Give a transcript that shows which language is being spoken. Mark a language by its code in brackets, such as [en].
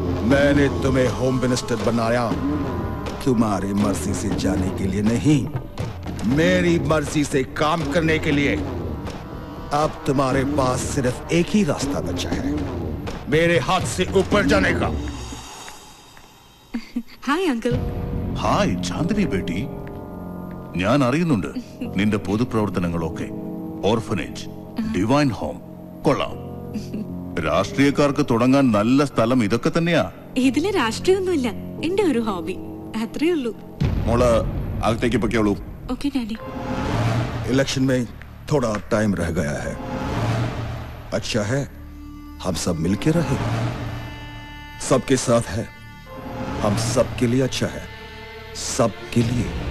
[hi] मैंने तुम्हें home minister बनाया तुम्हारी मर्जी से जाने के लिए नहीं, मेरी मर्जी से काम करने के लिए। अब तुम्हारे पास सिर्फ एक ही रास्ता बचा है, मेरे हाथ से ऊपर जाने का। Hi uncle. हाय चांदनी बेटी, [ml] ഞാൻ അറിയുന്നുണ്ട് നിന്റെ പൊതുപ്രവർത്തനങ്ങളൊക്കെ, ഓർഫനേജ്, ഡിവൈൻ ഹോം, കൊള്ളാം, രാഷ്ട്രീയക്കാർക്ക് തുടങ്ങാൻ നല്ല സ്ഥലം ഇതൊക്കെ തന്നെയാ? ഇതിലെ രാഷ്ട്രീയൊന്നുമില്ല, എന്റെ ഒരു ഹോബി, അത്രേ ഉള്ളൂ. മോള് അകത്തേക്ക് പൊക്കോളൂ. Okay daddy. [hi] ഇലക്ഷൻ മേ थोड़ा टाइम रह गया है, अच्छा है हम सब मिलके रहे, सबके साथ है, हम सबके लिए अच्छा है, सबके लिए।